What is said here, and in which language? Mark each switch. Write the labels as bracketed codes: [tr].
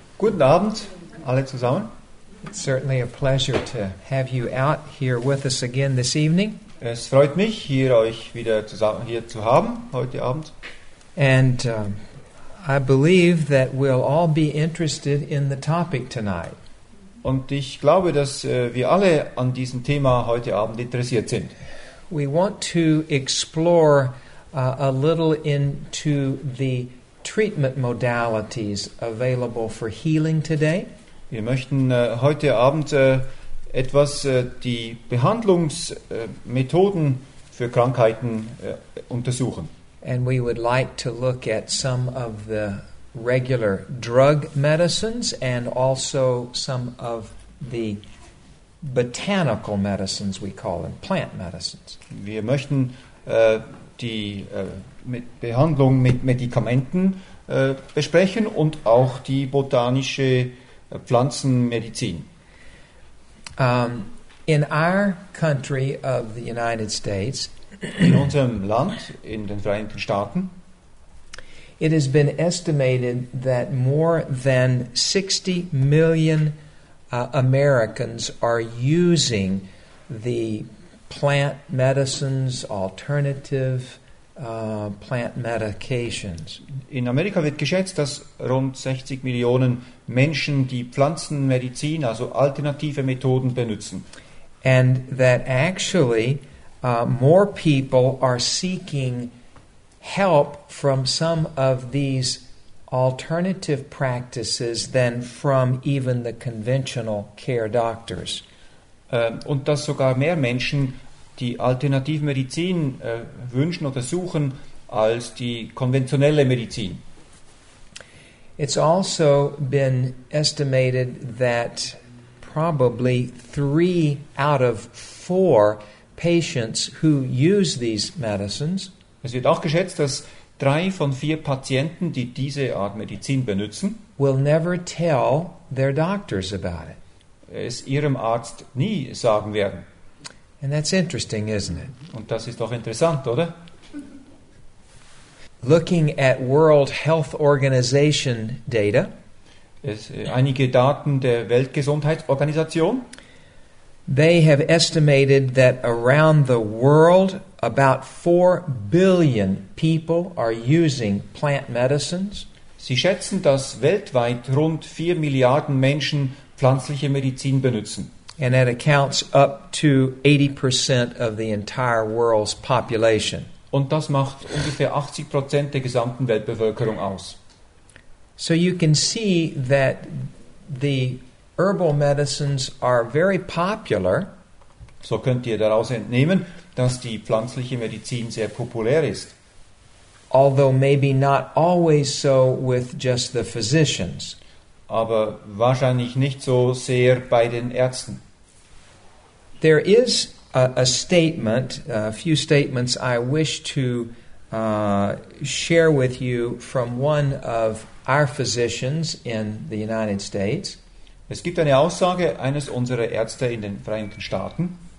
[de] Guten Abend, alle zusammen. [en] It's certainly a pleasure to have you out here with us again this evening. [de] Es freut mich, hier euch wieder zusammen hier zu haben heute Abend. [en] And I believe that we'll all be interested in the topic tonight. [de] Und ich glaube, dass wir alle an diesem Thema heute Abend interessiert sind. [en] We want to explore a little into the treatment modalities available for healing today. [de] Wir möchten heute Abend etwas die Behandlungsmethoden für Krankheiten untersuchen. [en] And we would like to look at some of the regular drug medicines and also some of the botanical medicines we call them, plant medicines. [de] Wir möchten die mit Behandlung mit Medikamenten besprechen und auch die botanische Pflanzenmedizin. [en] In our country of the United States, [de] in unserem Land, in den Vereinigten Staaten, [en] it has been estimated that more than 60 million Americans are using the plant medicines, alternative plant medications. [de] In Amerika wird geschätzt, dass rund 60 Millionen Menschen die Pflanzenmedizin, also alternative Methoden, benutzen. [en] And that actually more people are seeking help from some of these alternative practices than from even the conventional care doctors. [de] Und dass sogar mehr Menschen die Alternativmedizin wünschen oder suchen als die konventionelle Medizin. [en] It's also been estimated that probably 3 out of 4 patients who use these medicines. [de] Es wird auch geschätzt, dass 3 von 4 Patienten, die diese Art Medizin benutzen, [en] will never tell their doctors about it. [de] Es ihrem Arzt nie sagen werden. [en] And that's interesting, isn't it? [de] Und das ist doch interessant, oder? [en] Looking at World Health Organization data, [de] einige Daten der Weltgesundheitsorganisation, [en] they have estimated that around the world about 4 billion people are using plant medicines. [de] Sie schätzen, dass weltweit rund 4 Milliarden Menschen pflanzliche Medizin benutzen. [en] And that accounts up to 80% of the entire world's population. [de] Und das macht ungefähr 80% der gesamten Weltbevölkerung aus. [en] So you can see that the herbal medicines are very popular. [de] So könnt ihr daraus entnehmen, dass die pflanzliche Medizin sehr populär ist. [en] Although maybe not always so with just the physicians. [de] Aber wahrscheinlich nicht so sehr bei den Ärzten. [en] There is a statement, a few statements I wish to share with you from one of our physicians in the United States. [de] Es gibt eine Aussage eines unserer Ärzte in den Vereinigten Staaten.